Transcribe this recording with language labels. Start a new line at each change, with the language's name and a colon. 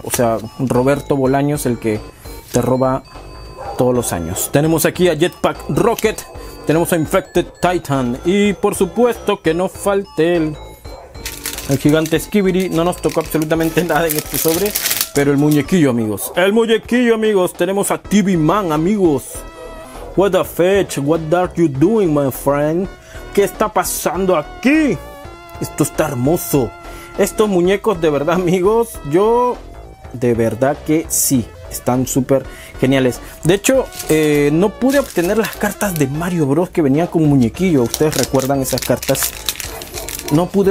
Spanish: O sea, Roberto Bolaños, el que te roba todos los años. Tenemos aquí a Jetpack Rocket, tenemos a Infected Titan y por supuesto que no falte el gigante Skibidi. No nos tocó absolutamente nada en este sobre, pero el muñequillo, amigos. El muñequillo, amigos. Tenemos a TV Man, amigos.
English: What the fetch, what are you doing, my friend?
Spanish: ¿Qué está pasando aquí? Esto está hermoso. Estos muñecos, de verdad, amigos, yo de verdad que sí. Están súper geniales. De hecho, no pude obtener las cartas de Mario Bros. Que venían con muñequillo. ¿Ustedes recuerdan esas cartas? No pude.